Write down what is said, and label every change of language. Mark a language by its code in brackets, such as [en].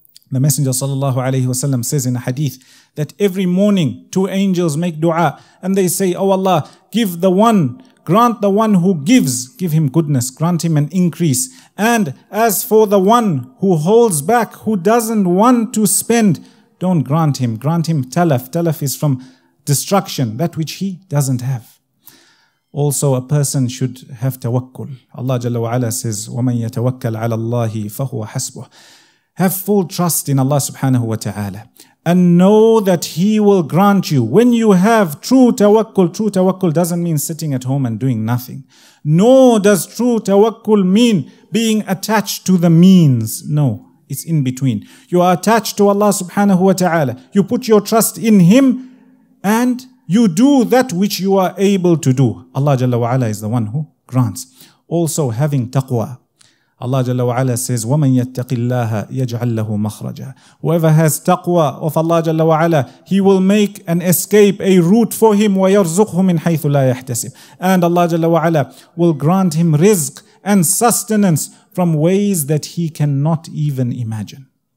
[en] The Messenger sallallahu alayhi wasallam says in a hadith that every morning two angels make dua and they say, "Oh Allah, give the one, grant the one who gives, give him goodness, grant him an increase. And as for the one who holds back, who doesn't want to spend, don't grant him. Grant him talaf." Talaf is from destruction, that which he doesn't have. Also, a person should have tawakkul. Allah Jalla wa'ala says, [ar] وَمَنْ يَتَوَكَّلْ عَلَى اللَّهِ فَهُوَ حَسْبُهُ. [en] Have full trust in Allah subhanahu wa ta'ala. And know that He will grant you. When you have true tawakkul doesn't mean sitting at home and doing nothing. Nor does true tawakkul mean being attached to the means. No, it's in between. You are attached to Allah subhanahu wa ta'ala. You put your trust in Him and you do that which you are able to do. Allah Jalla wa'ala is the one who grants. Also having taqwa. Allah Jalla wa'ala says, [ar] وَمَنْ يَتَّقِ اللَّهَ يَجْعَلْ لَهُ مَخْرَجًا. [en] Whoever has taqwa of Allah Jalla wa'ala, He will make an escape, a route for him, [ar] وَيَرْزُقْهُ مِنْ حَيْثُ لَا يَحْتَسِبْ. [en] And Allah Jalla wa'ala will grant him rizq and sustenance from ways that he cannot even imagine.